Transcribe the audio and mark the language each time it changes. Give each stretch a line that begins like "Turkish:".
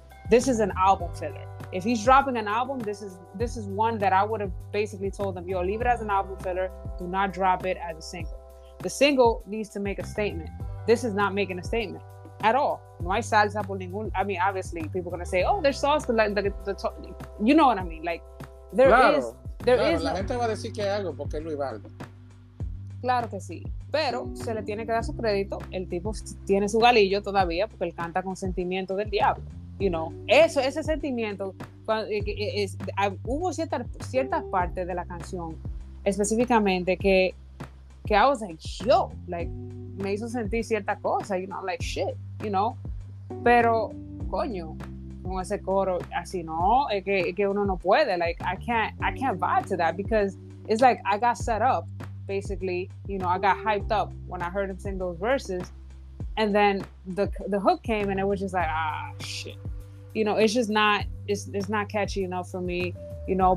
English: This is an album filler. If he's dropping an album, this is one that I would have basically told him, yo, leave it as an album filler. Do not drop it as a single. The single needs to make a statement. This is not making a statement at all.
Spanish: No hay salsa por ningún.
English: I mean, obviously, people are gonna say, oh, there's sauce. The you know what I mean? Like, there is.
Spanish: La gente va a decir que algo porque es Luis Vargas. Claro que sí. Pero se le tiene que dar su crédito. El tipo tiene su galillo todavía porque él canta con sentimiento del diablo.
English: You know,
Spanish: ese sentimiento. Hubo ciertas partes de la canción específicamente que
English: I was like, yo, like,
Spanish: me hizo sentir cierta cosa.
English: You know, like, shit, you know.
Spanish: Pero, coño, con ese coro así, no, es que uno no puede.
English: Like, I can't vibe to that because it's like I got set up. Basically, you know, I got hyped up when I heard him sing those verses, and then the hook came, and it was just like, ah, shit. You know, it's just not, it's not catchy enough for me, you know.